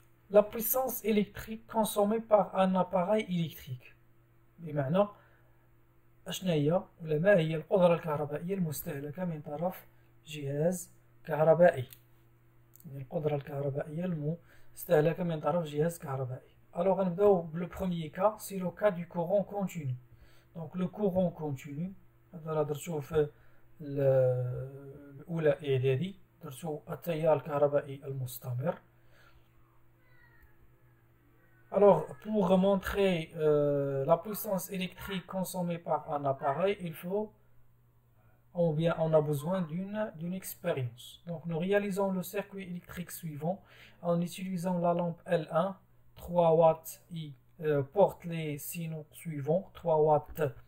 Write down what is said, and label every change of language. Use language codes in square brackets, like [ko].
[fr] La puissance électrique consommée par un appareil électrique. [ar] بمعنى أشنا هي ولا ما هي القدرة الكهربائية المستهلكة من طرف جهاز كهربائي. يعني القدرة الكهربائية المستهلكة من طرف جهاز كهربائي. [fr] Alors [ar] غنبداو [fr] بلو بروميي كا سي لو كا دو كورون كونتينو. Donc le courant continu [ar] هذا راه درتو في الأولى إعدادي درتو التيار الكهربائي المستمر [fr] alors pour montrer la puissance électrique consommée par un appareil il faut ou bien on a besoin d'une expérience donc nous réalisons le circuit électrique suivant en utilisant la lampe L1 3 watts I porte les signaux suivants 3 watts